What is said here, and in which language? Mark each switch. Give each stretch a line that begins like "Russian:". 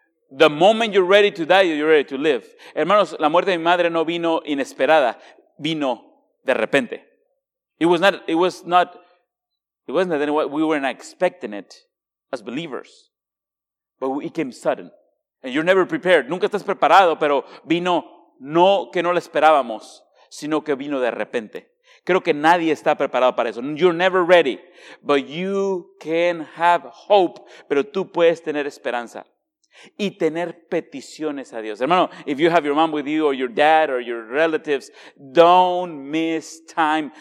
English: The moment you're ready to die, you're ready to live.
Spanish: Hermanos, la muerte de mi madre no vino inesperada. Vino de repente.
English: We were not expecting it as believers. But it came sudden. And you're never prepared.
Spanish: Nunca estás preparado, pero vino. No que no lo esperábamos, sino que vino de repente. Creo que nadie está preparado para eso.
English: You're never ready, but you can have hope.
Spanish: Pero tú puedes tener esperanza y tener peticiones a Dios.
English: Hermano, if you have your mom with you or your dad or your relatives, don't miss time.